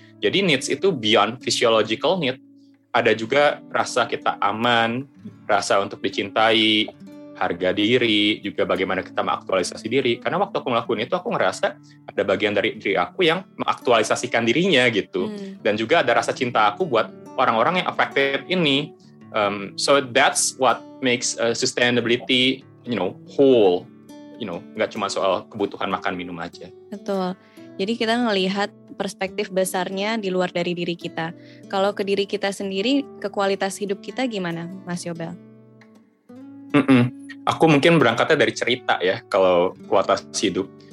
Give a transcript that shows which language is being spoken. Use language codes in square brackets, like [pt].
[id] Jadi needs itu beyond physiological need. Ada juga rasa kita aman, rasa untuk dicintai, harga diri, juga bagaimana kita mengaktualisasi diri. Karena waktu aku melakukan itu, aku ngerasa ada bagian dari diri aku yang mengaktualisasikan dirinya gitu. Dan juga ada rasa cinta aku buat orang-orang yang affected ini. [en] So that's what makes sustainability, you know, whole. [id] You know, nggak cuma soal kebutuhan makan minum aja. Betul. Jadi kita ngelihat perspektif besarnya di luar dari diri kita. Kalau ke diri kita sendiri, ke kualitas hidup kita gimana, Mas Yobel? Aku mungkin berangkatnya dari cerita ya, kalau kualitas hidup.